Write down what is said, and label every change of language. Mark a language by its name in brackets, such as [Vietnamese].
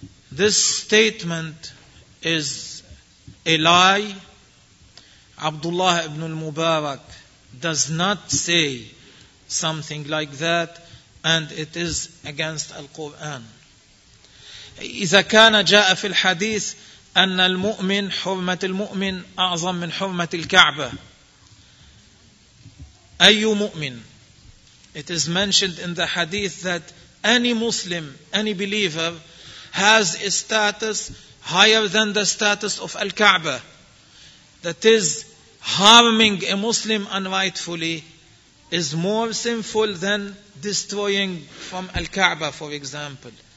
[English] This statement is a lie. Abdullah ibn al-Mubarak does not say something like that. And it is against Al-Quran. [Arabic] إذا كان جاء في الحديث أن المؤمن حرمة المؤمن أعظم من حرمة الكعبة. أي مؤمن. [English] It is mentioned in the hadith that any Muslim, any believer has a status higher than the status of Al-Kaaba. That is, harming a Muslim unrightfully is more sinful than destroying from Al-Kaaba, for example.